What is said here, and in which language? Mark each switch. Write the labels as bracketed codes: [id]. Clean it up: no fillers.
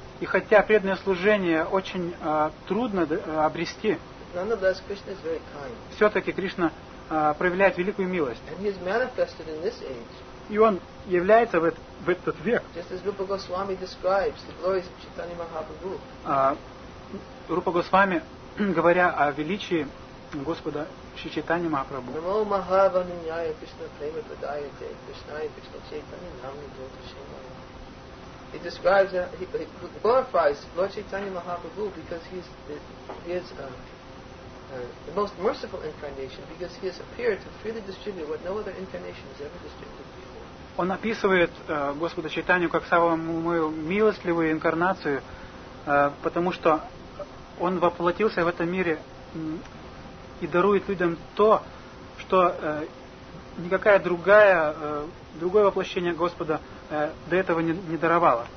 [ru] и хотя преданное служение очень трудно обрести, [en] nonetheless, Krishna is very kind. [ru] Все-таки Кришна проявляет великую милость. [en] And he is manifested in this age. [ru] И он является в этот век. [en] Just as Rupa Goswami describes the glories of Chaitanya Mahaprabhu. [ru] Рупа Госвами, говоря о величии Господа Шри Чайтаньи Махапрабху. [sa] Намо Махаваниньяя Кришна Према Падайате Кришная Кришна Чайтанья Намни Дота Шима. [en] He describes that he glorifies Lord Chaitanya Mahaprabhu because he is the most merciful incarnation, because he has appeared to freely distribute what no other incarnation has ever distributed before. [ru] Он описывает Господа Чайтанью как самую милостливую инкарнацию, потому что он воплотился в этом мире и дарует людям то, что никакая другая, другое воплощение Господа до этого не даровало.